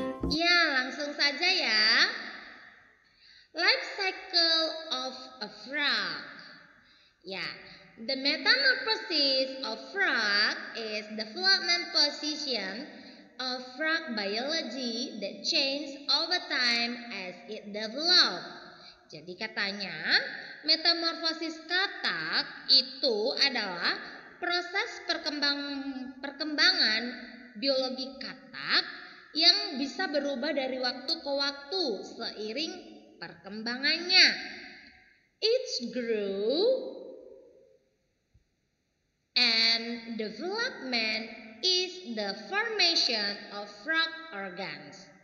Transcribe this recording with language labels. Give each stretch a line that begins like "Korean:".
Indonesian: Ya, langsung saja ya.
English: Life cycle of a frog. Ya, the metamorphosis of frog is development position of frog biology that changes over time as it develop.
Indonesian: Jadi katanya, metamorfosis katak itu adalah proses perkembangan biologi katak yang bisa berubah dari waktu ke waktu seiring perkembangannya.
English: Each grew and development is the formation of frog organs.